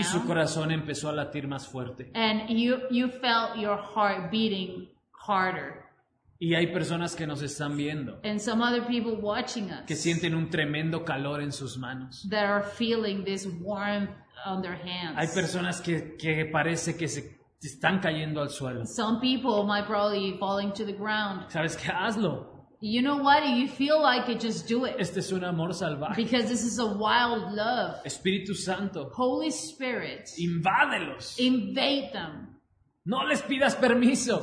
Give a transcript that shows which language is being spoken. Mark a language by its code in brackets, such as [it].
[es] Y su corazón empezó a latir más fuerte. [en] And you felt your heart beating harder. [es] Y hay personas que nos están viendo. [en] And some other people watching us. [es] Que sienten un tremendo calor en sus manos. [en] That are feeling this warmth on their hands. [es] Hay personas que parece que se están cayendo al suelo. [en] Some people might probably be falling to the ground. [es] ¿Sabes qué? Hazlo. [en] You know what? If you feel like it, just do it. [es] Este es un amor salvaje. [en] Because this is a wild love. [es] Espíritu Santo. [en] Holy Spirit. [es] Invádelos. [en] Invade them. [es] No les pidas permiso.